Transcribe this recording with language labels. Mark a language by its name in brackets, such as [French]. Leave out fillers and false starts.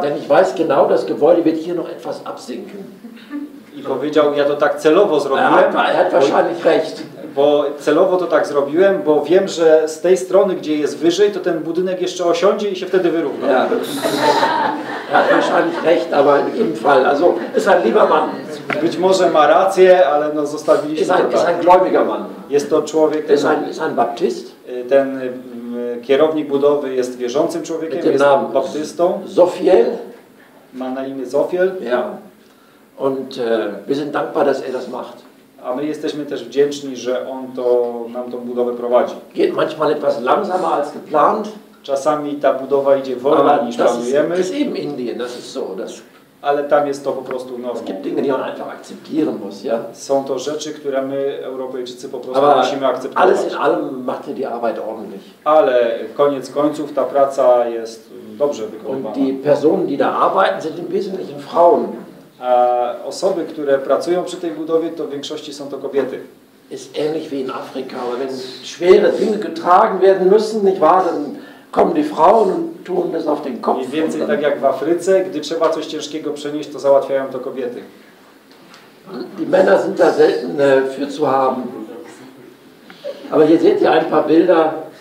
[German] Denn ich weiß genau, das Gebäude wird hier noch etwas absinken. [Polish] I powiedział, ja to tak celowo zrobiłem. [German] Er hat wahrscheinlich recht. [Polish] Bo celowo to tak zrobiłem, bo wiem, że z tej strony, gdzie jest wyżej, to ten budynek jeszcze osiądzie i się wtedy wyrówna. [German] Ja, hat wahrscheinlich recht, aber in jedem Fall. Also, ist ein lieber Mann. [Polish] Być może ma rację, ale no zostawiliśmy to tak. [German] Ist ein gläubiger Mann. [Polish] Jest to człowiek, ten, [German] ist ein Baptist. [Polish] Ten kierownik budowy jest wierzącym człowiekiem, jest baptystą. Zofiel. Ma na imię Zofiel. [German] Ja. Und wir sind dankbar, dass das macht. [Polish] A my jesteśmy też wdzięczni, że on to nam tą budowę prowadzi. [German] Geht manchmal etwas langsamer als geplant. [Polish] Czasami ta budowa idzie wolniej [German] aber [Polish] niż planujemy. [German] Das ist eben Indien, das ist so, das. [Polish] Ale tam jest to po prostu normą. [German] Es gibt Dinge, die man einfach akzeptieren muss, ja? [Polish] Są to rzeczy, które my Europejczycy po prostu aber musimy akceptować. [German] Alles in allem macht ihr die Arbeit ordentlich. [Polish] Ale koniec końców ta praca jest dobrze wykonywana. [German] Und die Personen, die da arbeiten, sind im Wesentlichen Frauen. [Polish] A osoby, które pracują przy tej budowie, to w większości są to kobiety. [German] Ist ähnlich wie in Afrika, aber wenn schwere Dinge getragen werden müssen, nicht wahr, dann kommen die Frauen und tun das auf den Kopf. [Polish] Mniej więcej tak jak w Afryce, gdy trzeba coś ciężkiego przenieść, to załatwiają to kobiety. [German] Die Männer sind da selten für zu haben. Aber hier seht ihr ein paar Bilder.